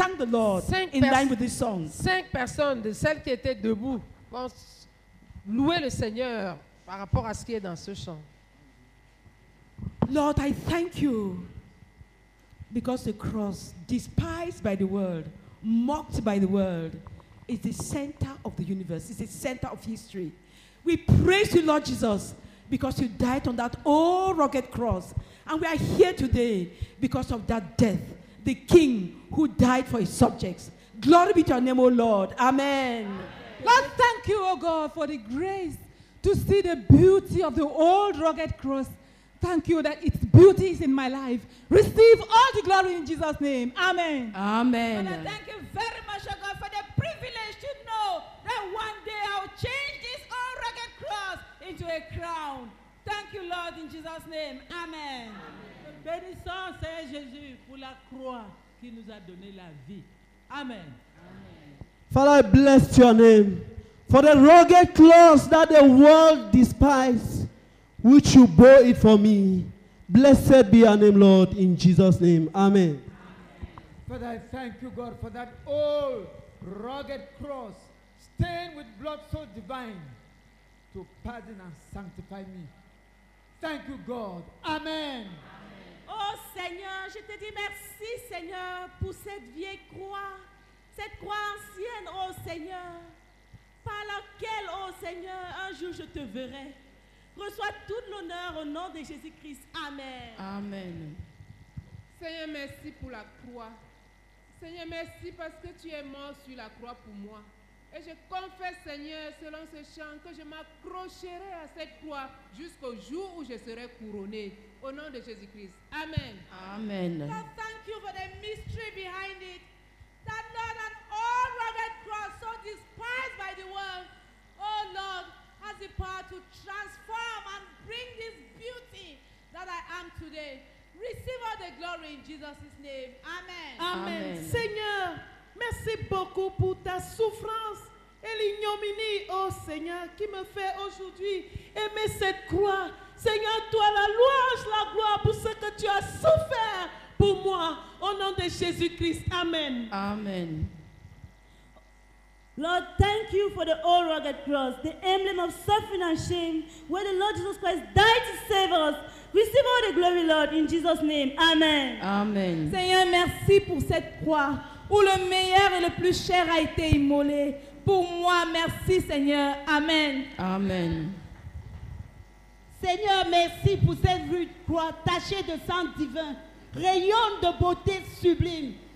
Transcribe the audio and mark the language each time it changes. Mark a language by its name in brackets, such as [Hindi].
[French] Cinq personnes de celles qui étaient debout vont louer le Seigneur par rapport à ce qui est dans ce chant. [English] Lord, I thank you because the cross, despised by the world, mocked by the world, is the center of the universe, is the center of history. We praise you, Lord Jesus, because you died on that old rugged cross. And we are here today because of that death, the king who died for his subjects. Glory be to your name, O Lord. Amen. Lord, thank you, O God, for the grace to see the beauty of the old rugged cross. Thank you that its beauty is in my life. Receive all the glory in Jesus' name. Amen. Amen. And I thank you very much, O God, for the privilege to know that one day I will change this old rugged cross into a crown. Thank you, Lord, in Jesus' name. Amen. [French] Bénissons, Seigneur Jésus, pour la croix qui nous a donné la vie. Amen. Amen. [English] Father, I bless your name for the rugged cross that the world despises, which you bore it for me. Blessed be your name, Lord, in Jesus' name. Amen. Amen. Father, I thank you, God, for that old rugged cross stained with blood so divine to pardon and sanctify me. Thank you, God. Amen. [French] Oh Seigneur, je te dis merci Seigneur pour cette vieille croix, cette croix ancienne, oh Seigneur, par laquelle, oh Seigneur, un jour je te verrai. Reçois tout l'honneur au nom de Jésus-Christ. Amen. Amen. Seigneur, merci pour la croix. Seigneur, merci parce que tu es mort sur la croix pour moi. Et je confesse, Seigneur, selon ce chant, que je m'accrocherai à cette croix jusqu'au jour où je serai couronné. Au nom de Jésus-Christ. Amen. Amen. [English] God, thank you for the mystery behind it. That Lord, an old rugged cross so despised by the world, oh Lord, has the power to transform and bring this beauty that I am today. Receive all the glory in Jesus' name. Amen. Amen. [French] Seigneur, merci beaucoup pour ta souffrance et l'ignominie, oh Seigneur, qui me fait aujourd'hui aimer cette croix. Seigneur, toi la louange, la gloire pour ce que tu as souffert pour moi. Au nom de Jésus-Christ, amen. Amen. [English] Lord, thank you for the old rugged cross, the emblem of suffering and shame, where the Lord Jesus Christ died to save us. Receive all the glory, Lord, in Jesus' name. Amen. Amen. [French] Seigneur, merci pour cette croix où le meilleur et le plus cher a été immolé. Pour moi, merci, Seigneur. Amen. Amen. Seigneur, merci pour cette rude croix tachée de sang divin, rayon de beauté sublime.